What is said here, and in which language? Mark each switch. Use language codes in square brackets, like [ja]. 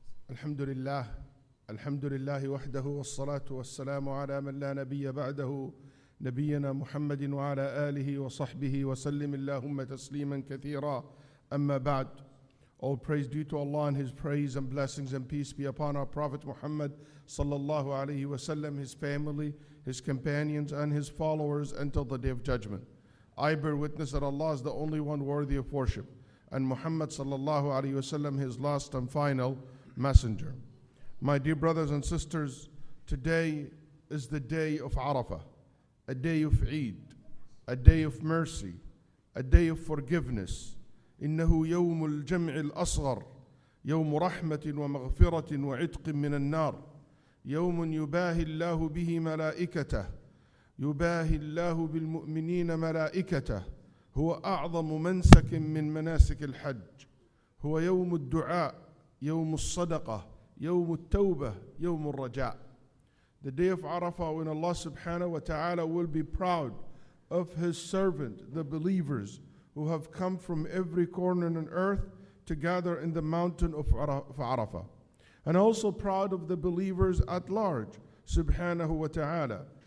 [ar] الحمد لله الحمد لله وحده والصلاة والسلام على من لا نبي بعده نبينا محمد وعلى آله وصحبه وسلم اللهم تسليما كثيرا أما بعد. [en] All praise due to Allah and His praise and blessings and peace be upon our Prophet Muhammad sallallahu alayhi wa sallam, his family, his companions and his followers until the day of judgment. I bear witness that Allah is the only one worthy of worship and Muhammad sallallahu alayhi wa sallam his last and final messenger. My dear brothers and sisters, today is the day of Arafah, a day of Eid, a day of mercy, a day of forgiveness. [ar] إنه يوم الجمع الأصغر يوم رحمة ومغفرة وعتق من النار يوم يباهي الله به ملائكته يباهي الله بالمؤمنين ملائكته هو أعظم منسك من مناسك الحج هو يوم الدعاء يوم الصدقة يوم التوبة يوم الرجاء. [en] The day of Arafah, when Allah subhanahu wa ta'ala will be proud of His servant, the believers who have come from every corner on earth to gather in the mountain of Arafah. And also proud of the believers at large, subhanahu wa ta'ala.